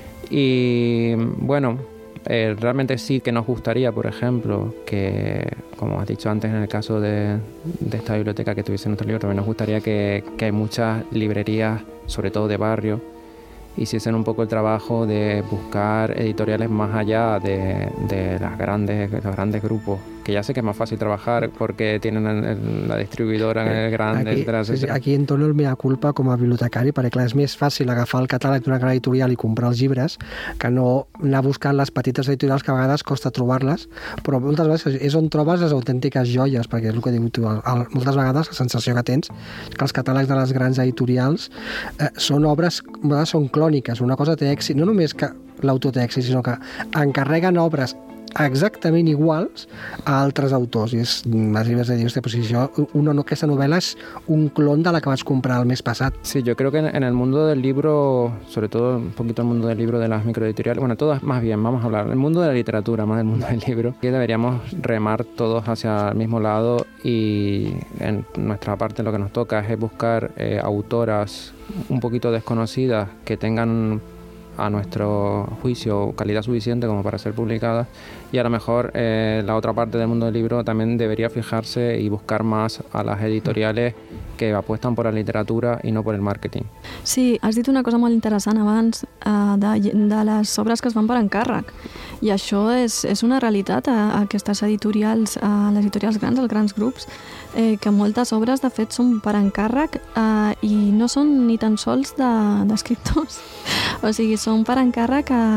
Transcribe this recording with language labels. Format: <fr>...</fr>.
<es>Y bueno, realmente sí que nos gustaría, por ejemplo, que, como has dicho antes, en el caso de esta biblioteca que tuviese nuestro libro, también nos gustaría que hay muchas librerías, sobre todo de barrio, hiciesen un poco el trabajo de buscar editoriales más allá de las grandes, de los grandes grupos, que ya sé que es más fácil trabajar porque tienen la distribuidora en el grande.</es> <ca>Aquí en torno el mea culpa com a bibliotecari, perquè clar, és més fàcil agafar el catàleg d'una gran editorial i comprar els llibres que no anar buscant les petites editorials, que a vegades costa trobar-les, però moltes vegades és on trobes les autèntiques joies, perquè és el que dius tu. Moltes vegades la sensació que tens és que els catàlegs de les grans editorials són obres, a vegades són clòniques, una cosa té èxit, no només que l'autor té èxit, sinó que encarreguen obres exactament iguals a altres autors. I m'has arribat a dir, hòstia, però si això, aquesta novel·la és un clon de la que vaig comprar el mes passat. Sí, jo crec que</ca> <es>en el mundo del libro,</es> <ca>sobretot</ca> <es>un poquito el mundo del libro de las microeditoriales, bueno, todas, más bien, vamos a hablar, el mundo de la literatura, más el mundo del libro, que deberíamos remar todos hacia el mismo lado, y en nuestra parte lo que nos toca es buscar autoras un poquito desconocidas que tengan, a nuestro juicio, calidad suficiente como para ser publicada, y a lo mejor la otra parte del mundo del libro también debería fijarse y buscar más a las editoriales que apuestan por la literatura y no por el marketing.</es> <ca>Sí, has dit una cosa molt interessant abans de les obres que es van per encàrrec, i això és una realitat a aquestes editorials, a les editorials grans, als grans grups, que moltes obres de fet són per encàrrec i no són ni tan sols d'escriptors, o sigui, són per encàrrec</ca>